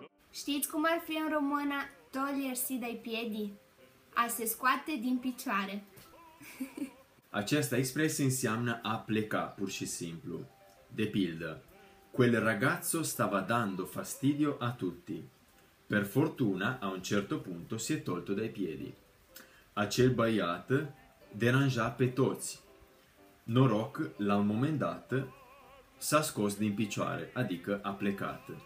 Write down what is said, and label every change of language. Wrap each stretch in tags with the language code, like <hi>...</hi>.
<ro>Știți cum ar fi în română</ro> <it>togliersi dai piedi?</it> <ro>A se scoate din picioare. Această expresie înseamnă a pleca, pur și simplu. De pildă,</ro> <it>quel ragazzo stava dando fastidio a tutti. Per fortuna, a un certo punto si è tolto dai piedi.</it> <ro>Acel băiat deranja pe toți. Noroc, la un moment dat, s-a scos din picioare, adică a plecat.</ro>